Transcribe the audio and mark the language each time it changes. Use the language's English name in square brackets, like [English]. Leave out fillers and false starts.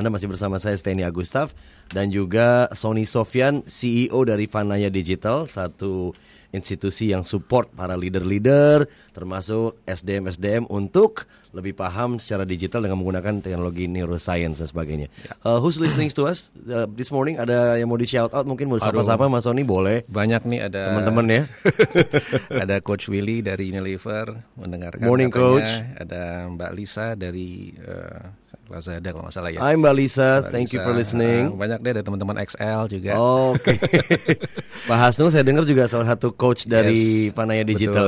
[Indonesian] Anda masih bersama saya, Steny Agustaf, dan juga Sony Sofyan, CEO dari Fanaya Digital, satu institusi yang support para leader-leader, termasuk SDM-SDM untuk lebih paham secara digital dengan menggunakan teknologi neuroscience dan sebagainya. [English] Who's listening to us this morning? [Indonesian] Ada yang mau di shout out? Mungkin mau sapa-sapa Mas Sony, boleh. Banyak nih ada teman-teman ya. Ada Coach Willy dari Unilever mendengarkan. Morning katanya. Coach. Ada Mbak Lisa dari Lazada kalau nggak salah ya. [English] Hi Mbak Lisa, thank you for listening. [Indonesian] Banyak deh, ada teman-teman XL juga. Oh, oke. Okay. Pak Hasnul, saya dengar juga salah satu coach dari Fanaya Digital.